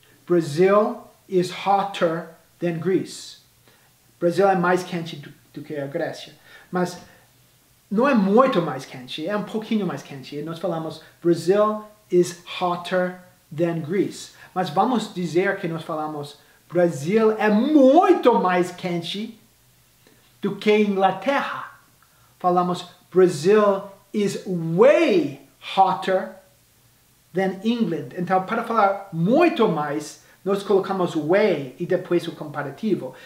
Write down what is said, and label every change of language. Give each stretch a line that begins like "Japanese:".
English: Brazil is hotter than Greece.
Portuguese: Brazil é mais quente do que a Grécia. Mas não é muito mais quente, é um pouquinho mais quente. E nós falamos
English: Brazil is hotter than Greece.
Portuguese: Mas vamos dizer que nós falamos Brasil é muito mais quente do que Inglaterra. Falamos
English: Brazil is way hotter than England.
Portuguese: Então, para falar muito mais, nós colocamos way e depois o comparativo.